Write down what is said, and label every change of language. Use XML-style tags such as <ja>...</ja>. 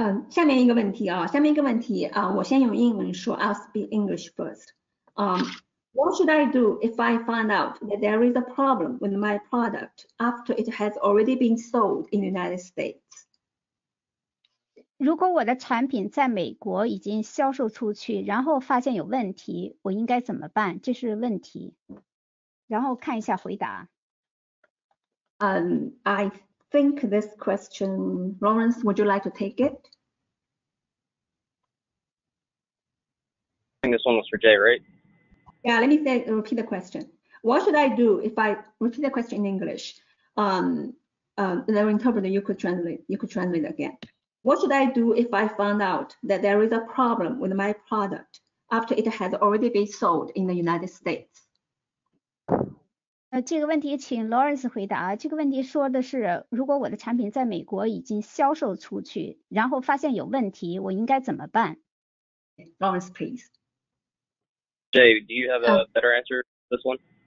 <zh>下面一个问题啊，下面一个问题啊，我先用英文说 ，</zh> <en>I'll speak English first. What should I do if I find out that there is a problem with my product after it has already been sold in the United States?</en> <zh>如果我的产品在美国已经销售出去，然后发现有问题，我应该怎么办？这是问题。然后看一下回答。</zh> <en>I think this question, Lawrence, would you like to take it? I think this one was for Jay, right? Yeah, let me repeat the question. What should I do if I repeat the question in English? The interpreter, you could translate again. What should I do if I found out that there is a problem with my product after it has already been sold in the United States?</en> <zh>这个问题请 Lawrence 回答。这个问题说的是，如果我的产品在美国已经销售出去，然后发现有问题，我应该怎么办？</zh> <en>Lawrence, please. Jay, do you have a better answer to this one?</en>